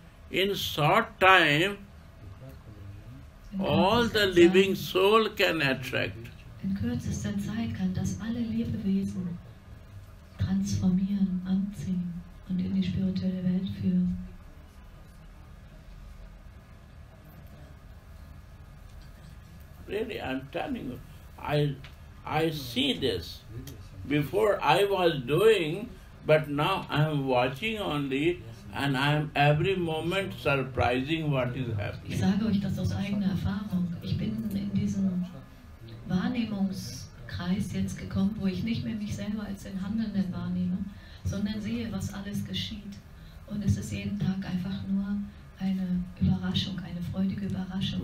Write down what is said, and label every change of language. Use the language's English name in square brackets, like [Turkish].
[English] In short time, all the living soul can attract. [German] In kürzester Zeit kann das alle Lebewesen transformieren, anziehen und in die spirituelle Welt führen. [English] Really, I'm telling you, I see this. Before I was doing, but now I'm watching only, and I'm every moment surprising what is happening. [German] Ich sage euch das aus eigener Erfahrung. Ich bin in diesen Wahrnehmungskreis jetzt gekommen, wo ich nicht mehr mich selber als den Handelnden wahrnehme, sondern sehe, was alles geschieht. Und es ist jeden Tag einfach nur eine Überraschung, eine freudige Überraschung.